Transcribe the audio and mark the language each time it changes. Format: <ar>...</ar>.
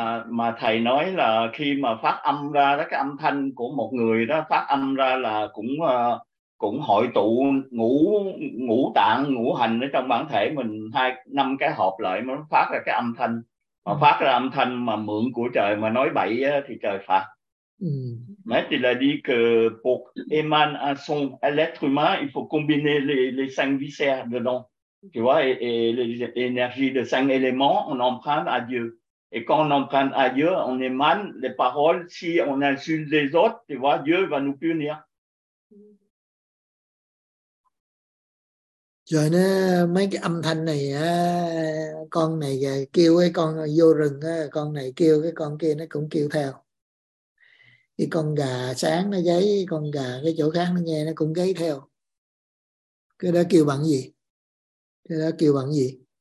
<vi>Mà thầy nói là khi mà phát âm ra đó, cái âm thanh của một người đó phát âm ra là cũng cũng hội tụ ngũ tạng, ngũ hành ở trong bản thể mình, hai năm cái hộp lại mới phát ra cái âm thanh. Mà phát ra âm thanh mà mượn của trời mà nói bậy á, thì trời phạt.</vi> <fr>Mais il a dit que pour émaner un son à l'être humain, il faut combiner les cinq viscères dedans. Tu vois, et les énergies de cinq éléments, on emprunte à Dieu. Et quand on emprunte à Dieu, on émane les paroles. Si on insulte les autres, tu vois, Dieu va nous punir.</fr> <vi>Rồi nó, mấy cái âm thanh này á, con này kêu cái con vô rừng á, con này kêu cái con kia nó cũng kêu theo. Cái con gà sáng nó gáy, con gà cái chỗ khác nó nghe nó cũng gáy theo. Cái đó kêu bằng gì? Cái đó kêu bằng gì?</vi>